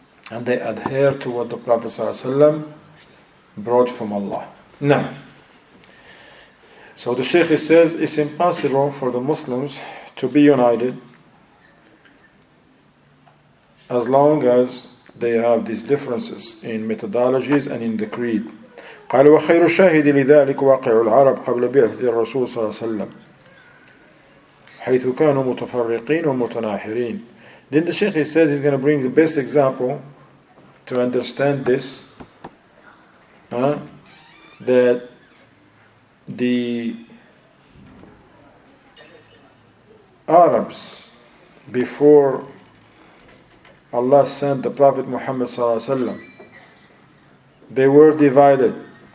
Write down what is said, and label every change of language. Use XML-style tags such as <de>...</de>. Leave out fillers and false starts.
<en>And they adhere to what the Prophet ﷺ brought from Allah. Now, so the Shaykh says, it's impossible for the Muslims to be united as long as they have these differences in methodologies and in the creed.</en> <ar>قال وخير شاهد لذلك واقع العرب قبل بعثة الرسول صلى الله عليه وسلم حيث كانوا متفرقين ومتناحرين.</ar> <en>Then the Shaykh says he's going to bring the best example to understand this, that the Arabs before Allah sent the Prophet Muhammad صلى الله عليه وسلم, they were divided.</en>